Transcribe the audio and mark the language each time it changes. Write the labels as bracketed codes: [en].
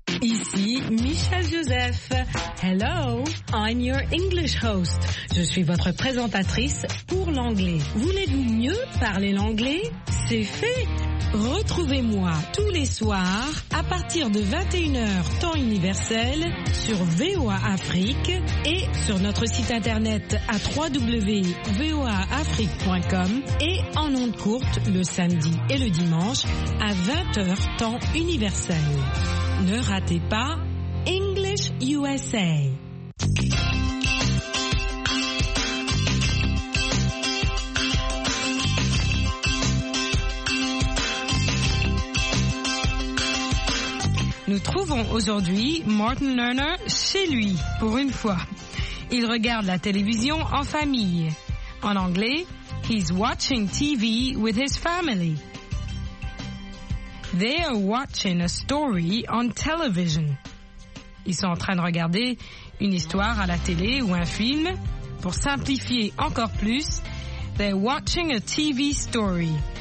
[fr] Ici Michel Joseph. [en] Hello, I'm your English host. [fr] Je suis votre présentatrice pour l'anglais. Voulez-vous mieux parler l'anglais? C'est fait. Retrouvez-moi tous les soirs à partir de 21h temps universel sur VOA Afrique et sur notre site internet à www.voaafrique.com et en ondes courtes le samedi et le dimanche à 20h temps universel. Ne ratez pas English USA. Nous trouvons aujourd'hui Martin Lerner chez lui, pour une fois. Il regarde la télévision en famille. En anglais, [en] he's watching TV with his family. They are watching a story on television. [fr] Ils sont en train de regarder une histoire à la télé ou un film. Pour simplifier encore plus, [en] they're watching a TV story.